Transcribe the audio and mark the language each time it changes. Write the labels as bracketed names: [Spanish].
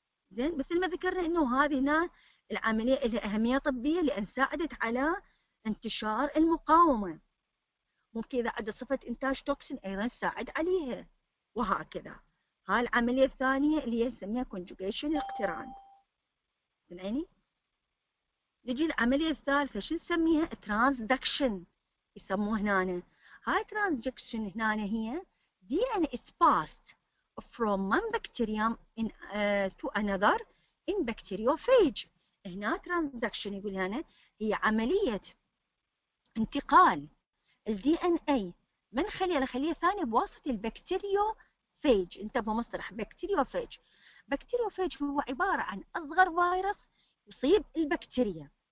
[Arabic] زين مثل ما ذكرنا انه هذه هنا العمليه لها اهميه طبيه لان ساعدت على انتشار المقاومه، ممكن اذا عدا صفه انتاج توكسين ايضا ساعد عليها وهكذا. هاي العملية الثانية اللي هي نسميها conjugation الاقتران. سمعيني؟ نجي العملية الثالثة شو نسميها؟ transduction يسموها هنا. هاي [English] transduction [Arabic] هنا هي [English] DNA is passed from one bacterium in, to another in bacteriophage. [Arabic] هنا transduction يقول هنا هي عملية انتقال ال DNA من خلية لخلية ثانية بواسطة البكتيريو فيج. انتبهوا مصطلح بكتيريوفيج، بكتيريوفيج هو عبارة عن أصغر فيروس يصيب البكتيريا.